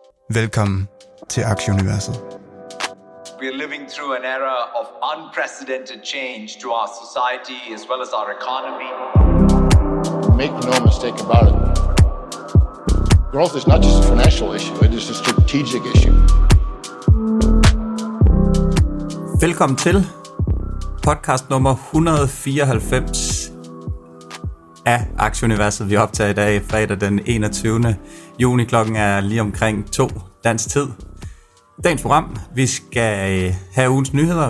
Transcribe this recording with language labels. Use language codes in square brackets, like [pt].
[da] Velkommen til Aktieuniverset. [en] We are living through an era of unprecedented change to our society as well as our economy. Make no mistake about it. Growth is not just a financial issue, it is a strategic issue. [da] Velkommen til podcast nummer 194 af Aktieuniverset, vi optager i dag fredag den 21. juni. Klokken er lige omkring 2 dansk tid. Dagens program, vi skal have ugens nyheder.